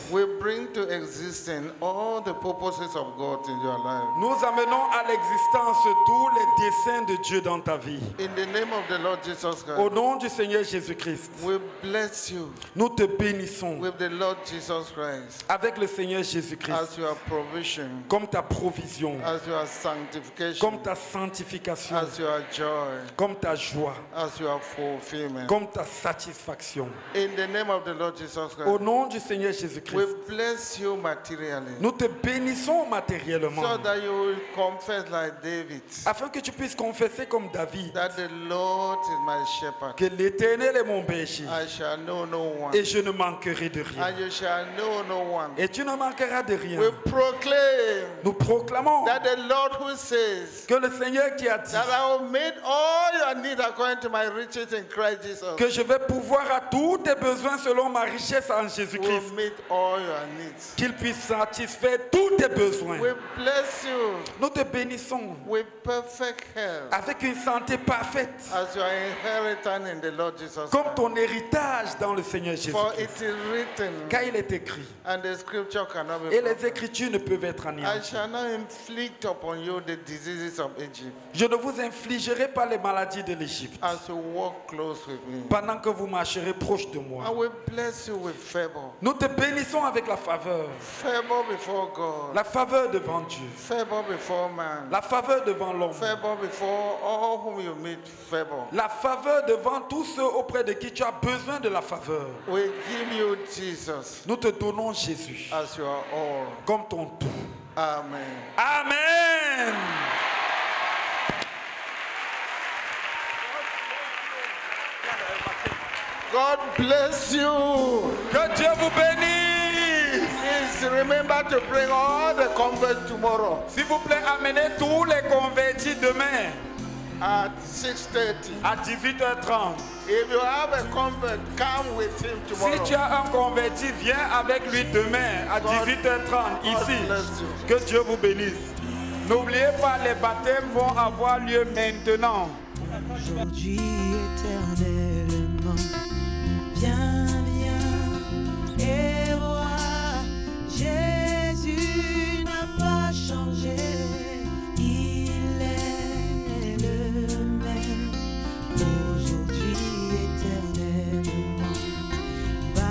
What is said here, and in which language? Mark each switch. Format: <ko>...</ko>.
<en>We bring to existence all the purposes of God in your life.</en> <fr>Nous amenons à l'existence tous les desseins de Dieu dans ta vie.</fr> <en>In the name of the Lord Jesus Christ.</en> <fr>Au nom du Seigneur Jésus Christ.</fr> <en>We bless you.</en> <fr>Nous te bénissons.</fr> <en>With the Lord Jesus Christ.</en> <fr>Avec le Seigneur Jésus Christ.</fr> <en>As your provision.</en> <fr>Comme ta provision.</fr> <en>As your sanctification.</en> <fr>Comme ta sanctification.</fr> <en>As your joy.</en> <fr>Comme ta joie.</fr> <en>As your fulfillment.</en> <fr>Comme ta satisfaction.</fr> <en>In the name of the Lord Jesus Christ,</en> <fr>au nom du Seigneur Jésus Christ,</fr> <en>we bless you materially.</en> <fr>Nous te bénissons matériellement.</fr> <en>So that you will confess like David.</en> <fr>Afin que tu puisses confesser comme David.</fr> <en>That the Lord is my shepherd.</en> <fr>Que l'Éternel est mon berger.</fr> <en>I shall know no one.</en> <fr>Et je ne manquerai de rien.</fr> <en>And you shall know no one.</en> <fr>Et tu ne manqueras de rien.</fr> <en>We proclaim.</en> <fr>Nous proclamons.</fr> <en>That the Lord who says.</en> <fr>Que le Seigneur qui a dit.</fr> <en>That I will meet all your needs according to my riches in Christ Jesus.</en> <fr>Que je vais pouvoir à tous tes besoins selon ma richesse en Jésus-Christ. Qu'il puisse satisfaire tous tes besoins.</fr> <en>We bless you.</en> <fr>Nous te bénissons.</fr> <en>With perfect health.</en> <fr>Avec une santé parfaite.</fr> <en>As your inheritance in the Lord Jesus.</en> <fr>Comme ton héritage dans le Seigneur Jésus-Christ.</fr> <en>For it is written.</en> <fr>Car il est écrit.</fr> <en>And the scripture cannot be.</en> <fr>Et les Écritures ne peuvent être anéanties.</fr> <en>I shall not inflict upon you the diseases of Egypt.</en> <fr>Je ne vous infligerai pas les maladies de l'Égypte.</fr> <en>As you walk close with me.</en> <fr>Pendant que vous marcherez proche de moi.</fr> <en>I will bless you with favor.</en> <fr>Nous te bénissons avec la faveur.</fr> <en>Favor before God.</en> <fr>La faveur devant Dieu.</fr> <en>Favor before man.</en> <fr>La faveur devant l'homme.</fr> <en>Favor before all whom you meet. Favor.</en> <fr>La faveur devant tous ceux auprès de qui tu as besoin de la faveur.</fr> <en>We give you Jesus.</en> <fr>Nous te donnons Jésus.</fr> <en>As your all.</en> <fr>Comme ton tout.</fr> <en>Amen.</en> <fr>Amen.</fr> <en>God bless you.</en> <fr>Que Dieu vous bénisse.</fr> <en>Please remember to bring all the converts tomorrow.</en> <fr>S'il vous plaît, amenez tous les convertis demain.</fr> <en>At 6:30.</en> <fr>À 18h30.</fr> <en>If you have a convert, come with him tomorrow.</en> <fr>Si tu as un converti, viens avec lui demain à 18h30 ici.</fr> <en>God bless you.</en> <fr>Que Dieu vous bénisse. N'oubliez pas, les baptêmes vont avoir lieu maintenant. Aujourd'hui, éternellement. Viens, viens et vois, Jésus n'a pas changé, il est le même, aujourd'hui éternellement.</fr>